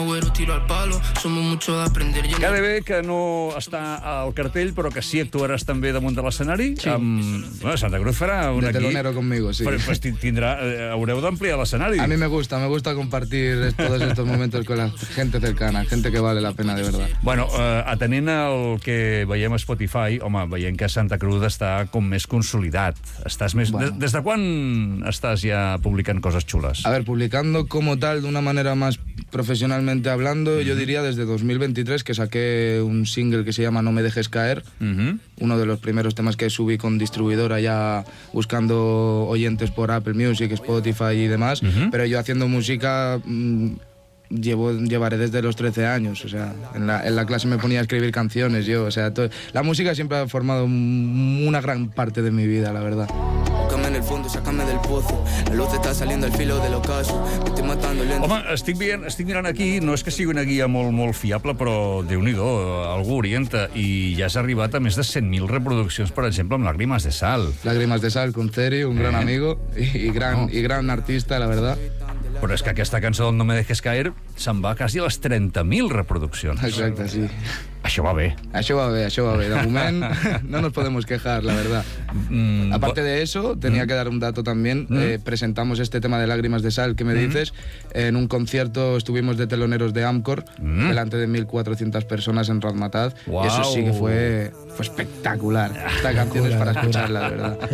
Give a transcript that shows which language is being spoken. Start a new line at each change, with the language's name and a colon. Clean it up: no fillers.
Spanish: Agüero tiro al palo, somos mucho de aprender.
Catalan: KDB, que no està al cartell, però que sí actuaràs també damunt de l'escenari. Sí. Bueno, Santa Cruz farà un aquí.
Spanish: De telonero conmigo, sí.
Catalan: Però pues tindrà... haureu d'ampliar l'escenari.
Spanish: A mi me gusta compartir todos estos momentos con la gente cercana, gente que vale la pena, de verdad.
Catalan: Bueno, atenent el que veiem a Spotify, home, veiem que Santa Cruz està com més consolidat. Estàs més... Bueno. Des de quan estàs ja publicant coses xules?
Spanish: A ver, publicando como tal, de una manera más profesionalmente hablando, yo diría desde 2023, que saqué un single que se llama No me dejes caer, uno de los primeros temas que subí con distribuidora ya buscando oyentes por Apple Music, Spotify y demás, pero yo haciendo música... llevaré desde los 13 años, o sea, en la clase me ponía a escribir canciones yo, o sea, la música siempre ha formado una gran parte de mi vida, la verdad. el fondo, sácame del pozo. La luz está saliendo al filo del ocaso. Me estoy matando lento.
Catalan: Home, estic mirant aquí, no és que sigui una guia molt, molt fiable, però déu-n'hi-do, algú orienta. I ja has arribat a més de 100.000 reproduccions, per exemple, amb Làgrimes de Sal.
Spanish: Làgrimes de Sal, con Ceri, un gran amigo y gran artista, la verdad.
Catalan: Però és que aquesta cançó del No me dejes caer se'n va quasi a les 30.000 reproduccions. Exacte, sí. Això va bé. Això va bé, això va bé. De moment
Spanish: no nos podemos quejar, la verdad. Aparte de eso, tenía que dar un dato también. Presentamos este tema de Làgrimes de Sal, ¿qué me dices? En un concierto estuvimos de teloneros de Amcor, delante de 1.400 personas en Razmataz. Wow. Y eso sí que fue espectacular. Esta canción es para escucharla, la verdad.